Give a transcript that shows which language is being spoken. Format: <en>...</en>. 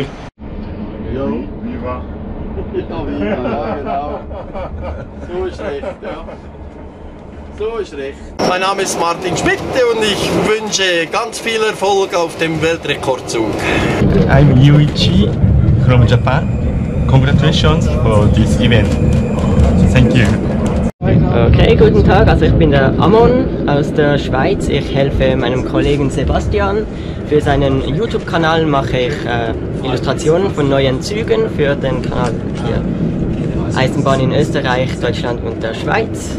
<de>Ja, wie war? Ja, wie war, genau. So schlecht, ja. So ist recht. Mein Name ist Martin Schmitte und ich wünsche ganz viel Erfolg auf dem Weltrekordzug.</de> <en>I'm Yuichi from Japan. Congratulations for this event. Thank you.</en> <de>Okay, guten Tag. Also ich bin der Amon aus der Schweiz. Ich helfe meinem Kollegen Sebastian. Für seinen YouTube-Kanal mache ich Illustrationen von neuen Zügen für den Kanal hier. Eisenbahn in Österreich, Deutschland und der Schweiz.</de>